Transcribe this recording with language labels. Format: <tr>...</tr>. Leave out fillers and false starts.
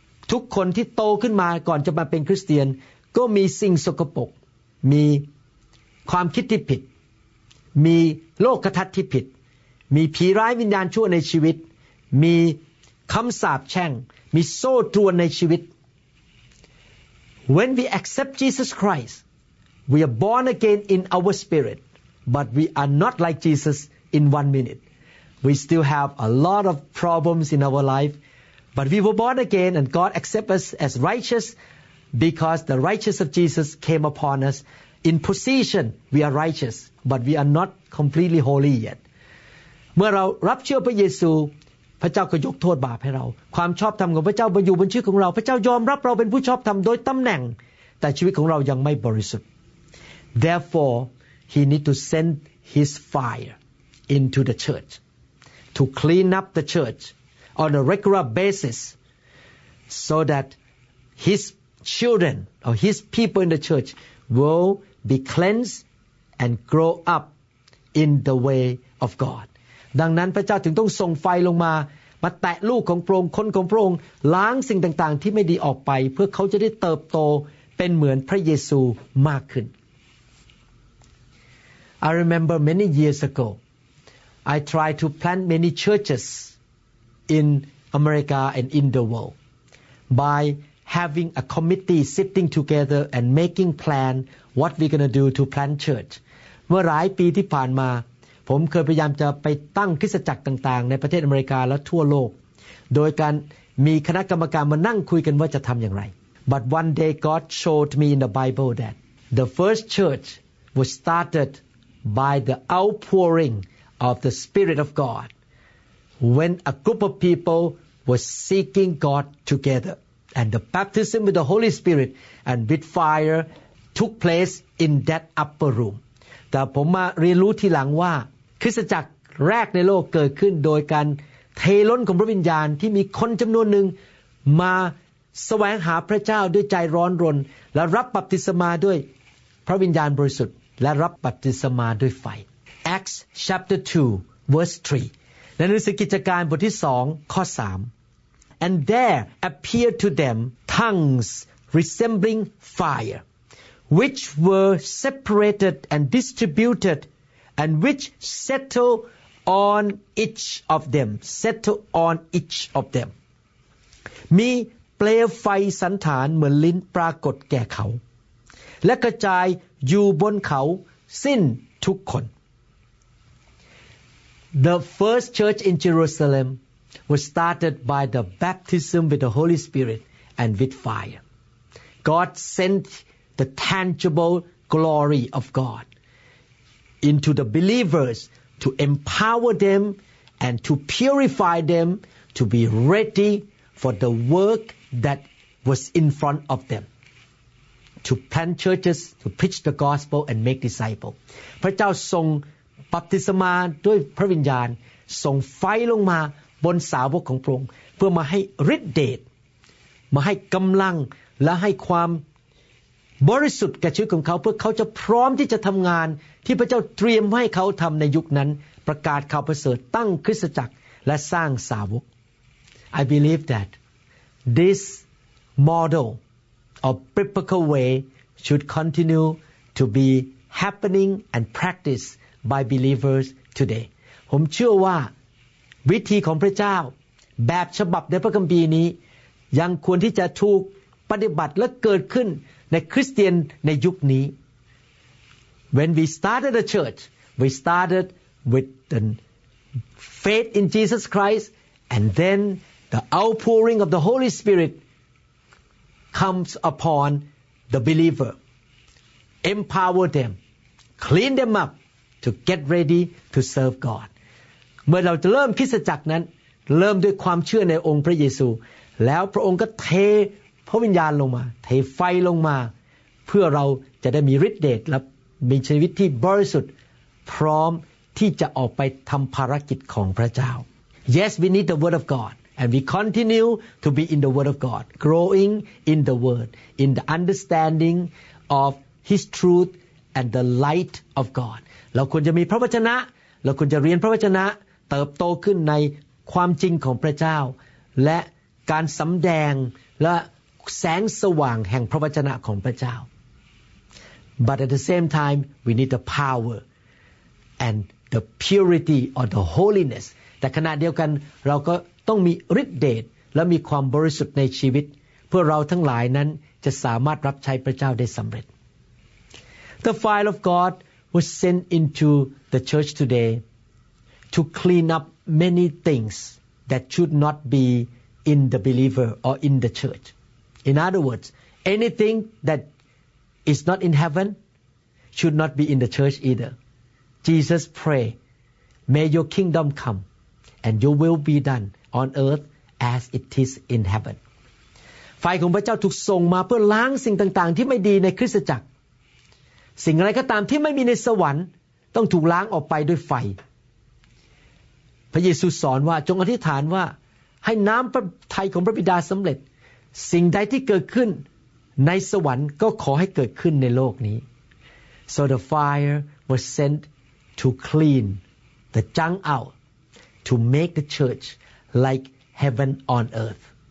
<th>ทุกคนที่โตขึ้นมาก่อนจะมาเป็นคริสเตียนก็มีสิ่งสกปรกมีความคิดที่ผิดมีโลกทัศน์ที่ผิดมีผีร้ายวิญญาณชั่วในชีวิตมีคำสาปแช่งมีโซ่ตรวนในชีวิต</th> <en>When we accept Jesus Christ, we are born again in our spirit, but we are not like Jesus in 1 minute. We still have a lot of problems in our life, but we were born again and God accept us as righteous because the righteousness of Jesus came upon us. In position, we are righteous, but we are not completely holy yet.</en> <th>เมื่อเรารับเชื่อพระเยซูพระเจ้าก็ยกโทษบาปให้เราความชอบธรรมของพระเจ้ามาอยู่บนชีวิตของเราพระเจ้ายอมรับเราเป็นผู้ชอบธรรมโดยตำแหน่งแต่ชีวิตของเรายังไม่บริสุทธิ์</th> <en>Therefore he need to send his fire into the church to clean up the church on a regular basis so that his children or his people in the church will be cleansed and grow up in the way of God</en> <th>ดังนั้นพระเจ้าถึงต้องส่งไฟลงมามาแตะลูกของพระองค์คนของพระองค์ล้างสิ่งต่างๆที่ไม่ดีออกไปเพื่อเขาจะได้เติบโตเป็นเหมือนพระเยซูมากขึ้น</th> <en>I remember many years ago I tried to plant many churches in America and in the world by having a committee sitting together and making plan what we're going to do to plant church</en> <th>เมื่อหลายปีที่ผ่านมาผมเคยพยายามจะไปตั้งคริสตจักรต่างๆในประเทศอเมริกาและทั่วโลกโดยการมีคณะกรรมการมานั่งคุยกันว่าจะทำอย่างไร</th> <en>But one day God showed me in the Bible that the first church was started by the outpouring of the Spirit of God when a group of people were seeking God together and the baptism with the Holy Spirit and with fire took place in that upper room.</en> <th>แต่ผมมาเรียนรู้ทีหลังว่าคริสตจักรแรกในโลกเกิดขึ้นโดยการเทล้นของพระวิญญาณที่มีคนจำนวนหนึ่งมาแสวงหาพระเจ้าด้วยใจร้อนรนและรับบัพติศมาด้วยพระวิญญาณบริสุทธิ์และรับบัพติศมาด้วยไฟ</th> <en>Acts chapter 2 verse 3</en> <th>ในหนังสือกิจการบทที่2ข้อ3</th> <en>And there appeared to them tongues resembling fireWhich were separated and distributed, and which settled on each of them. Settled on each of them.</en> <th>มีเปลวไฟสันฐานเหมือนลิ้นปรากฏแก่เขาและกระจายอยู่บนเขาสิ้นทุกคน</th> <en>The first church in Jerusalem was started by the baptism with the Holy Spirit and with fire. God sentThe tangible glory of God into the believers to empower them and to purify them to be ready for the work that was in front of them to plant churches to preach the gospel and make disciples.</en> <th>พระเจ้าทรงบัพติศมาด้วยพระวิญญาณทรงไฟลงมาบนสาวกของพระองค์เพื่อมาให้ฤทธิ์เดชมาให้กำลังและให้ความบริสุทธิ์แก่ชีวิตของเขาเพื่อเขาจะพร้อมที่จะทำงานที่พระเจ้าเตรียมให้เขาทำในยุคนั้นประกาศข่าวประเสริฐตั้งคริสตจักรและสร้างสาวก</th> <en>I believe that this model of biblical way should continue to be happening and practiced by believers today</en> <th>ผมเชื่อว่าวิธีของพระเจ้าแบบฉบับในพระคัมภีร์นี้ยังควรที่จะถูกปฏิบัติและเกิดขึ้นในคริสเตียนในยุคนี้</th> <en>When we started a church we started with the faith in Jesus Christ and then the outpouring of the Holy Spirit comes upon the believer empower them clean them up to get ready to serve God</en> <th>เมื่อเราเริ่มคริสตจักรนั้นเริ่มด้วยความเชื่อในองค์พระเยซูแล้วพระองค์ก็เทพระวิญญาณลงมาเทไฟลงมาเพื่อเราจะได้มีฤทธิ์เดชและมีชีวิตที่บริสุทธิ์พร้อมที่จะออกไปทำภารกิจของพระเจ้า</th> <en>Yes we need the word of God And we continue to be in the Word of God, growing in the Word, in the understanding of His truth and the light of God.</en> <th>เราควรจะมีพระวจนะเราควรจะเรียนพระวจนะเติบโตขึ้นในความจริงของพระเจ้าและการสำแดงและแสงสว่างแห่งพระวจนะของพระเจ้า</th> <en>But at the same time we need the power and the purity or the holiness</en> <th>แต่ขณะเดียวกันเราก็ต้องมีฤทธิ์เดชและมีความบริสุทธิ์ในชีวิตเพื่อเราทั้งหลายนั้นจะสามารถรับใช้พระเจ้าได้สำเร็จ</th> <en>The fire of God was sent into the church today to clean up many things that should not be in the believer or in the church. In other words, anything that is not in heaven should not be in the church either. Jesus prayed, "May your kingdom come and your will be done on earth as it is in heaven."</en> <th>ไฟของพระเจ้าถูกส่งมาเพื่อล้างสิ่งต่างๆที่ไม่ดีในคริสตจักรสิ่งอะไรก็ตามที่ไม่มีในสวรรค์ต้องถูกล้างออกไปด้วยไฟ พระเยซูสอนว่าจงอธิษฐานว่าให้น้ำพระทัยของพระบิดาสำเร็จสิ่งใดที่เกิดขึ้นในสวรรค์ก็ขอให้เกิดขึ้นในโลกนี้</th> <en>So the fire was sent to clean the junk out to make the church like heaven on earth</en>